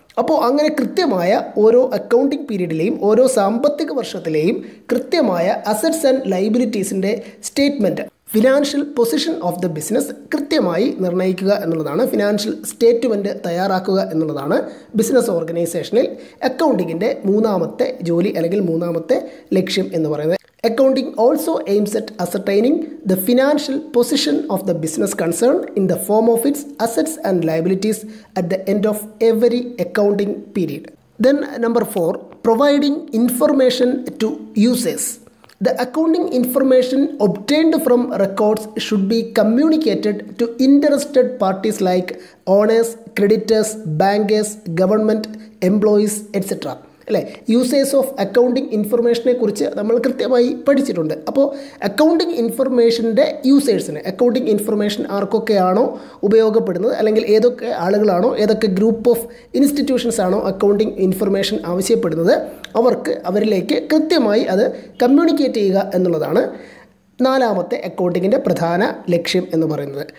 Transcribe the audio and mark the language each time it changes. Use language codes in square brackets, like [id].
[ml] അപ്പോൾ അങ്ങനെ കൃത്യമായ ഓരോ അക്കൗണ്ടിങ് പീരീഡിലെയും ഓരോ സാമ്പത്തിക വർഷത്തിലെയും കൃത്യമായ assets and ലൈബിലിറ്റീസിൻ്റെ statement, [en] financial position of the business [ml] കൃത്യമായി നിർണ്ണയിക്കുക എന്നുള്ളതാണ്. ഫിനാൻഷ്യൽ സ്റ്റേറ്റ്മെൻറ്റ് തയ്യാറാക്കുക എന്നുള്ളതാണ് ബിസിനസ് ഓർഗനൈസേഷനിൽ അക്കൗണ്ടിങ്ങിൻ്റെ മൂന്നാമത്തെ ജോലി അല്ലെങ്കിൽ മൂന്നാമത്തെ ലക്ഷ്യം എന്ന് പറയുന്നത്. [en] Accounting also aims at ascertaining the financial position of the business concerned in the form of its assets and liabilities at the end of every accounting period. Then number 4, providing information to users. The accounting information obtained from records should be communicated to interested parties like owners, creditors, bankers, government, employees, etc. [ml] അല്ലേ, users of accounting ഇൻഫർമേഷനെ കുറിച്ച് നമ്മൾ കൃത്യമായി പഠിച്ചിട്ടുണ്ട്. അപ്പോൾ accounting ഇൻഫർമേഷൻ്റെ യൂസേഴ്സിന്, accounting information ആർക്കൊക്കെയാണോ ഉപയോഗപ്പെടുന്നത് അല്ലെങ്കിൽ ഏതൊക്കെ ആളുകളാണോ, ഏതൊക്കെ group of institutions ആണോ അക്കൗണ്ടിങ് ഇൻഫർമേഷൻ ആവശ്യപ്പെടുന്നത്, അവർക്ക് അവരിലേക്ക് കൃത്യമായി അത് കമ്മ്യൂണിക്കേറ്റ് ചെയ്യുക എന്നുള്ളതാണ് നാലാമത്തെ അക്കൗണ്ടിങ്ങിൻ്റെ പ്രധാന ലക്ഷ്യം എന്ന് പറയുന്നത്.